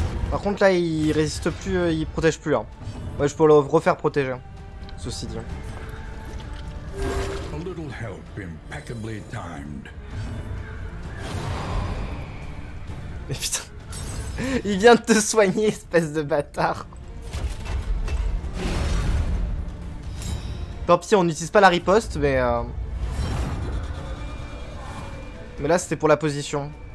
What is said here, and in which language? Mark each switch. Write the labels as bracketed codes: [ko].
[fr] Par contre là il résiste plus, il protège plus, hein. Ouais, je peux le refaire protéger, ceci dit. [en] A little help impeccably timed. [fr] Mais putain, il vient de te soigner, espèce de bâtard. Tant pis, on n'utilise pas la riposte, mais là c'était pour la position.